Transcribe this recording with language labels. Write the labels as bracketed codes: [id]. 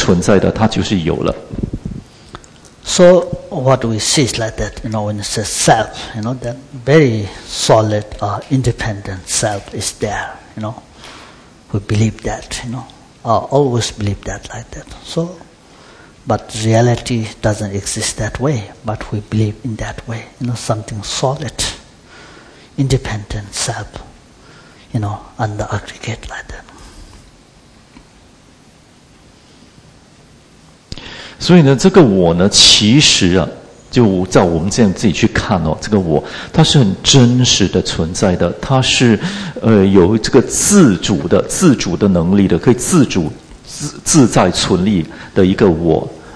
[zh] 可是呢，我们的心呢，却执着，好像一个真实存在的。我们要看到，我们心是往外看的。我们看到的，外面看的东西，哦，它是存在的，它就是有了。So [en] what we see is like that, you know, when it's a self, you know, that very solid, independent self is there. You know, we believe that. You know, always believe that like that. So. But reality doesn't exist that way, but we believe in that way, you know, something solid, independent self, you know, and the aggregate like that. [zh] 所以呢，这个我呢，其实啊， 就照我们这样自己去看哦，这个我，它是很真实的存在的，它是有这个自主的，自主的能力的，可以自主自在存立的一个我。